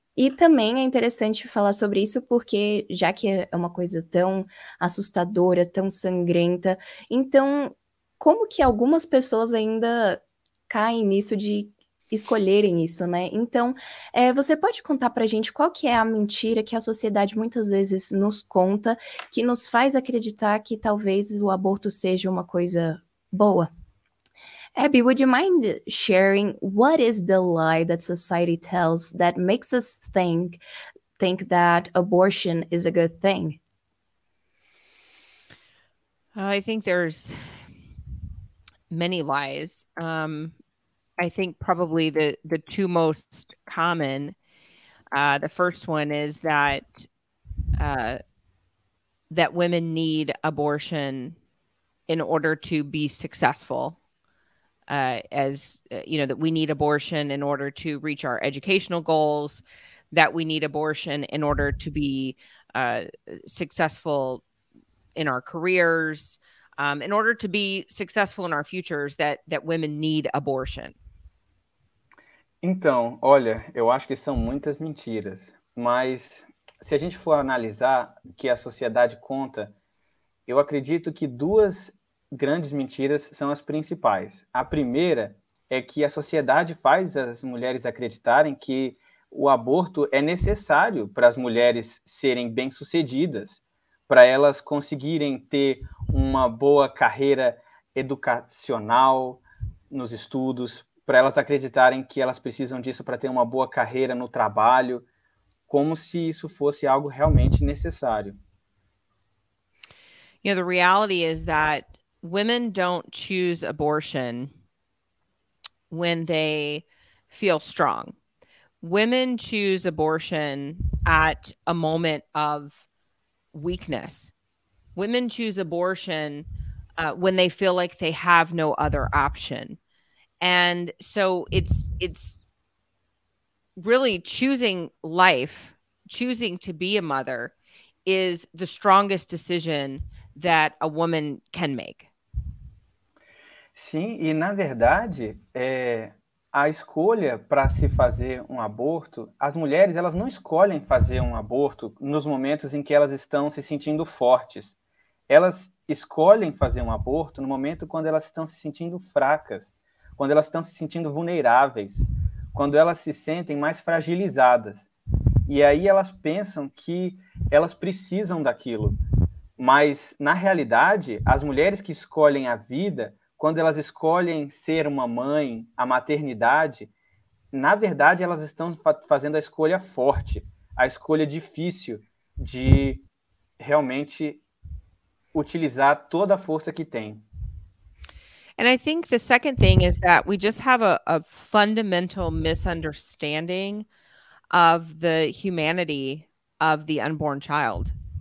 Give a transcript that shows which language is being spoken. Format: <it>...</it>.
<pt>E também é interessante falar sobre isso, porque já que é uma coisa tão assustadora, tão sangrenta, então como que algumas pessoas ainda caem nisso de escolherem isso, né? Então, você pode contar pra gente qual que é a mentira que a sociedade muitas vezes nos conta, que nos faz acreditar que talvez o aborto seja uma coisa boa?</pt> <en>Abby, would you mind sharing what is the lie that society tells that makes us think that abortion is a good thing? I think there's many lies. I think probably the two most common, the first one is that that women need abortion in order to be successful. That we need abortion in order to reach our educational goals, that we need abortion in order to be successful in our careers, in order to be successful in our futures, that women need abortion.</en> <pt>Então, olha, eu acho que são muitas mentiras, mas se a gente for analisar o que a sociedade conta, eu acredito que duas grandes mentiras são as principais. A primeira é que a sociedade faz as mulheres acreditarem que o aborto é necessário para as mulheres serem bem-sucedidas, para elas conseguirem ter uma boa carreira educacional nos estudos, para elas acreditarem que elas precisam disso para ter uma boa carreira no trabalho, como se isso fosse algo realmente necessário.</pt> <en>You know, the reality is that women don't choose abortion when they feel strong. Women choose abortion at a moment of weakness. Women choose abortion when they feel like they have no other option. And so it's really choosing life, choosing to be a mother, is the strongest decision that a woman can make.</en> <pt>Sim, e na verdade, a escolha para se fazer um aborto, as mulheres, elas não escolhem fazer um aborto nos momentos em que elas estão se sentindo fortes. Elas escolhem fazer um aborto no momento quando elas estão se sentindo fracas, quando elas estão se sentindo vulneráveis, quando elas se sentem mais fragilizadas. E aí elas pensam que elas precisam daquilo. Mas, na realidade, as mulheres que escolhem a vida, quando elas escolhem ser uma mãe, a maternidade, na verdade elas estão fazendo a escolha forte, a escolha difícil de realmente utilizar toda a força que tem.</pt> <en>And I think the second thing is that we just have a fundamental misunderstanding of the humanity of the unborn child.</en>